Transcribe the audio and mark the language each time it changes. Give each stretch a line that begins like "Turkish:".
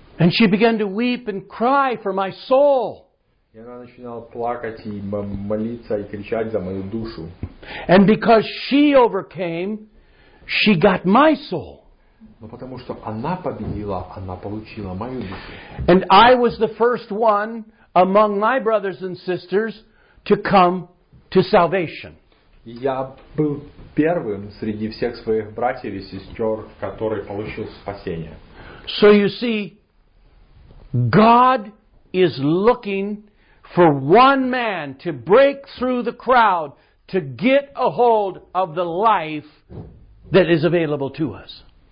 English: And she began to weep and cry for my soul.
Russian: И она начинала плакать и молиться и кричать за мою душу.
English: And because she overcame, she got my soul.
Russian: Но потому что она победила, она получила мою душу.
English: And I was the first one among my brothers and sisters to come to salvation.
Russian: Я был первым среди всех своих братьев и сестер, который получил спасение.
English: So you see, God is looking for one man to break through the crowd to get a hold of the life that is available to us.